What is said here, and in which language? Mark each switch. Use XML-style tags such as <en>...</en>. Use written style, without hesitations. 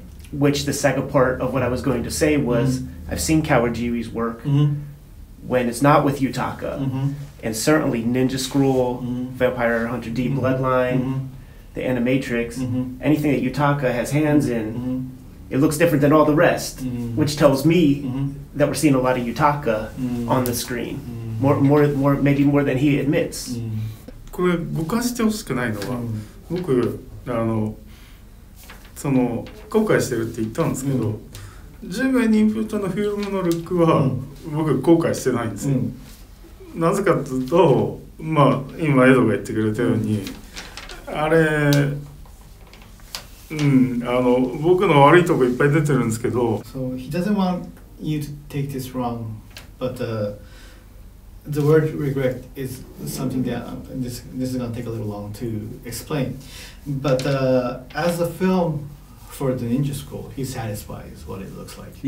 <en>which the second part of what I was going to say was I've seen Kawajiri's work when it's not with Yutaka, and certainly Ninja Scroll, Vampire Hunter D, Bloodline, the Animatrix, anything that Yutaka has hands in, it looks different than all the rest, which tells me that we're seeing a lot of Yutaka on the screen, more maybe more than he admits.</en> <ja>これ誤解してほしくないのは、僕あのその後悔してるって言ったんですけど、ジュベインプットのフィルムのルックは僕後悔してないんですよ。なぜかというと、まあ今エドが言ってくれたように、あれ、あの僕の悪いとこいっぱい出てるんですけど。</ja> <en>So he doesn't want you to take this wrong, but、the word regret is something that this is going to take a little long to explain. But as a film for the Ninja Scroll, he satisfies what it looks like.</en>